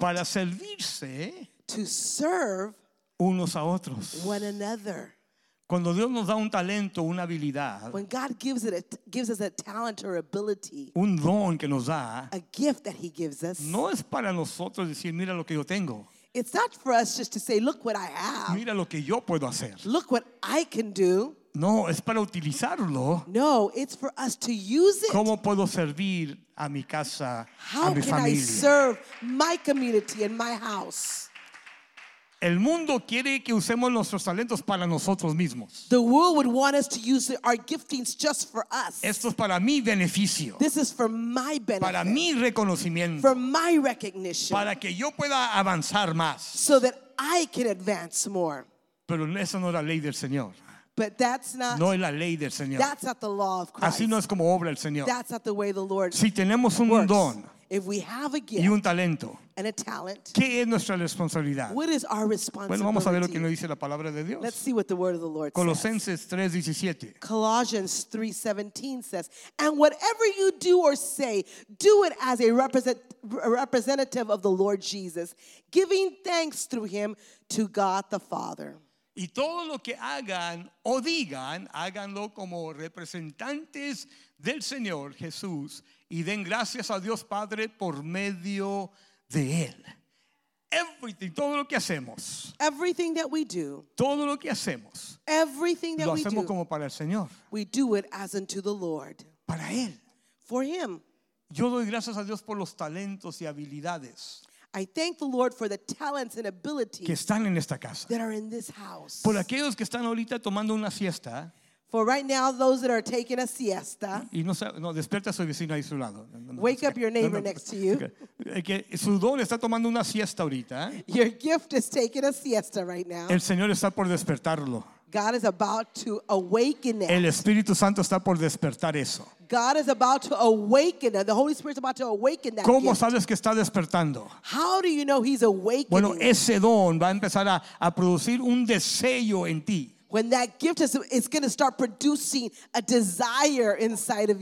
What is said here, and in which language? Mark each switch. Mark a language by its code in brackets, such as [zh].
[es] para servirse [en] to serve [es] unos a otros. [en] One another. [es] Cuando Dios nos da un talento, una habilidad, [en] when God gives it gives us a talent or ability, [es] un don que nos da, [en] a gift that he gives us, [es] no es para nosotros decir, mira lo que yo tengo. [en] It's not for us just to say, look what I have. [es] Mira lo que yo puedo hacer. [en] Look what I can do. [es] No, es para utilizarlo. [en] No, it's for us to use it. [es] ¿Cómo puedo servir a mi casa, [en] how [es] a mi [en] can [es] familia? [en] I serve my community and my house? [es] El mundo quiere que usemos nuestros talentos para nosotros mismos. [en] The world would want us to use our giftings just for us. [es] Esto es para mi beneficio. [en] This is for my benefit. [es] Para mi reconocimiento. [en] For my recognition. [es] Para que yo pueda avanzar más. [en] So that I can advance more. [es] Pero esa no es la ley del Señor. [en] But that's not, [es] no es la ley del Señor. [en] That's not the law of Christ. [es] Así no es como obra el Señor. [en] That's not the way the Lord [es] si tenemos un [en] works. [es] Don. [en] If we have a gift [es] y un talento, [en] and a talent, [es] ¿qué es nuestra responsabilidad? [en] What is our responsibility? [es] Bueno, vamos a ver lo que nos dice la palabra de Dios. [en] Let's see what the word of the Lord [es] Colosenses 3:17. [en] Colossians 3:17 says, and whatever you do or say, do it as a representative of the Lord Jesus, giving thanks through him to God the Father. [es] Y todo lo que hagan o digan, háganlo como representantes del Señor Jesús. Y den gracias a Dios Padre por medio de Él. [en] Everything, [es] todo lo que hacemos. [en] Everything that we do. [es] Todo lo que hacemos. [en] Everything that we do. [es] Lo hacemos como para el Señor. [en] We do it as unto the Lord. [es] Para Él. [en] For Him. [es] Yo doy gracias a Dios por los talentos y habilidades. [en] I thank the Lord for the talents and abilities. [es] Que están en esta casa. [en] That are in this house. [es] Por aquellos que están ahorita tomando una siesta. [en] For right now, those that are taking a siesta, [es] y no, no, despierta a su vecino ahí a su lado. [en] Wake up your neighbor next to you. [es] Que su don está tomando una siesta ahorita. [en] Your gift is taking a siesta right now. [es] El Señor está por despertarlo. [en] God is about to awaken it. [es] El Espíritu Santo está por despertar eso. [en] God is about to awaken it. The Holy Spirit is about to awaken that. [es] ¿Cómo [en] gift. [es] Sabes que está despertando? [en] How do you know he's awakening? [es] Bueno, ese don va a empezar a producir un deseo en ti. [en] When that gift is going to start producing a desire inside of